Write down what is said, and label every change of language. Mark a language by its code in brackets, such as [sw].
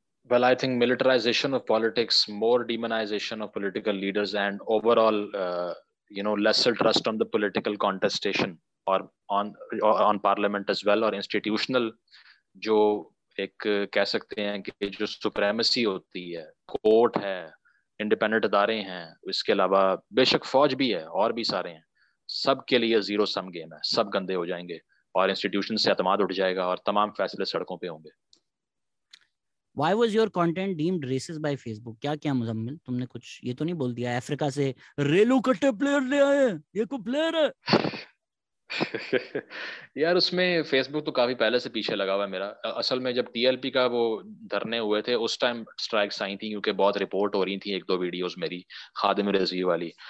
[en] Well, I think militarization of politics, more demonization of political leaders, and overall, lesser trust on the political contestation or on parliament as well, or institutional, [hi] जो एक कह सकते हैं कि जो supremacy होती है, court है, independent अदारे हैं, इसके अलावा बेशक फौज भी है और भी सारे हैं, सब के लिए zero sum game है, सब गंदे हो जाएंगे और institution से अतमाद उठ जाएगा और तमाम फैसले सड़कों पर होंगे. [en] Why was your content deemed racist by Facebook? [hi] क्या क्या मुजम्मिल तुमने कुछ ये तो नहीं बोल दिया अफ्रीका से रेलू कट्टे प्लेयर ले आए, ये को प्लेयर है? यार उसमें Facebook तो काफी पहले से पीछे लगा हुआ है मेरा. असल में जब TLP का वो धरने हुए थे उस टाइम स्ट्राइक्स आई थी क्योंकि बहुत रिपोर्ट हो रही थी एक दो वीडियोस मेरी खादिम रजी वाली.